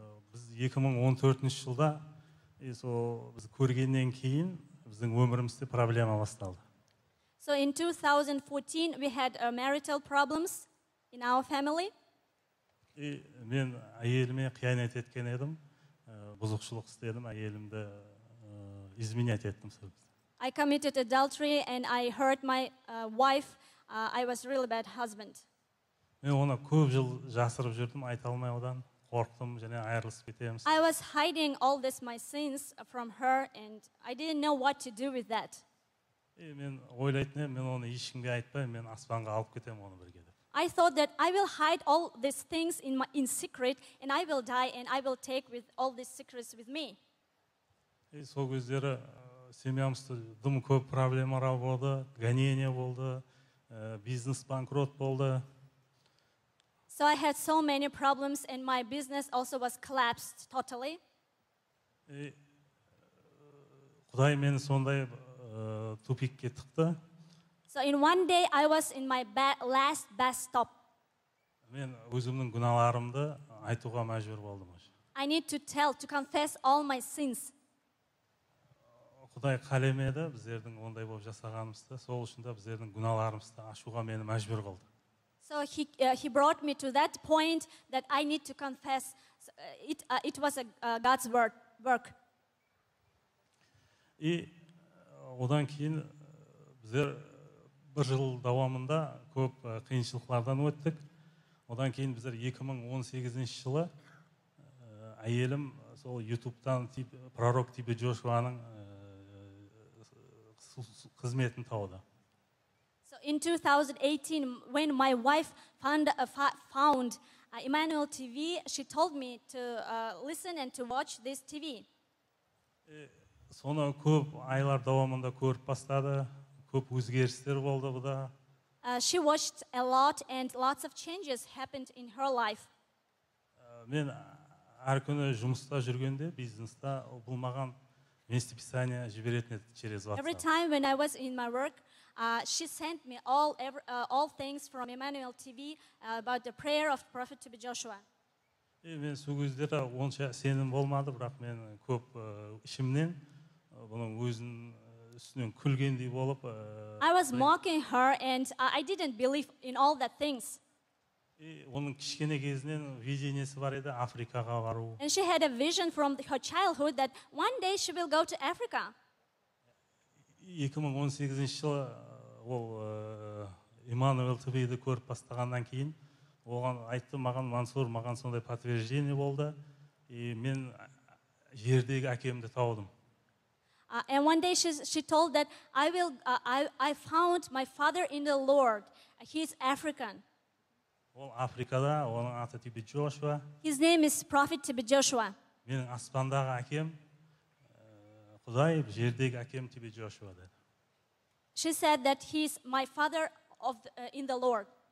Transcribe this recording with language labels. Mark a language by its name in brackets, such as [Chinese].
[Kazakh] Біз 2014 жылда сол біз көргеннен кейін біздің өмірімізде проблема басталды. [English] So in 2014 we had a marital problems in our family. [Kazakh] Мен әйеліме қиянат еткен едім. Бұзықшылық істедім, әйелімді [Russian] изменять [Kazakh] еттім сол кезде. [English] I committed adultery and I hurt my wife. I was really bad husband. [Kazakh] Мен оны көп жыл жасырып жүрдім, айта алмай одан. Қорқтым және айырылысып кетеміз. [English] I was hiding all this my sins from her and I didn't know what to do with that. [Kazakh] Мен ойлайтыным, мен оны ешкімге айтпай, мен аспанға алып кетемін оны бірге деп. [English] I thought that I will hide all these things in secret and I will die and I will take with all these secrets with me. [Kazakh] Сол кездері семьямызда дым көп проблемалар болды, гонение болды, бизнес банкрот болды. [English] So I had so many problems and my business also was collapsed totally. [Kazakh] Құдай мені сондай тупикке тықты. [English] So in one day I was in my last bus stop. [Kazakh] Мен өзімнің күнәларымды айтуға мәжбүр болдым. [English] I need to tell, to confess all my sins. [Kazakh] Құдай қалемеді біздердің ондай болып жасағанымызды, сол үшін де біздердің күнәларымызды ашуға мені мәжбүр қылды. [English] So he brought me to that point that I need to confess. It was a God's work. [Kazakh] И одан кейін біздер бір жыл дауамында көп қиыншылықтардан өттік. Одан кейін біздер 2018 жылы әйелім сол YouTube-тан пророк TB Joshua-ның қызметін тауды. [English] So in 2018, when my wife found Emmanuel TV, she told me to listen and to watch this TV. [Kazakh] Соны көп айлар дауамында көріп бастады, көп өзгерістер болды бұда. [English] She watched a lot and lots of changes happened in her life. [Kazakh] Мен әр күні жұмыста жүргенде, бизнеста бұл маған мені писание жіберетін еді [Russian] через [Kazakh] WhatsApp. [English] Every time when I was in my work, She sent me all things from Emmanuel TV about the prayer of the Prophet to be Joshua. [Kazakh] Мен сол кезде та онша сенім болмады, бірақ мен көп ішімнен бұның өзін үстінен күлгендей болып. [English] I was mocking her and I didn't believe in all that things. [Kazakh] Оның кішкене кезінен видениесі бар еді Африкаға бару. [English] And she had a vision from her childhood that one day she will go to Africa. [Kazakh] 2018 жылы ол Emmanuel TV-ді көріп бастағаннан кейін оған айтты маған Мансур маған сондай [Russian] подтверждение [Kazakh] болды и мен жердегі әкемді таудым. [English] And one day she told that I found my father in the Lord. He's African. [Kazakh] Ол Африкада оның аты Тиби Джошуа. [English] His name is Prophet Tiby Joshua. [Kazakh] Менің аспандағы әкем Құдай жердегі әкем Тиби Джошуа деді. [English] She said that he's my father of in the Lord.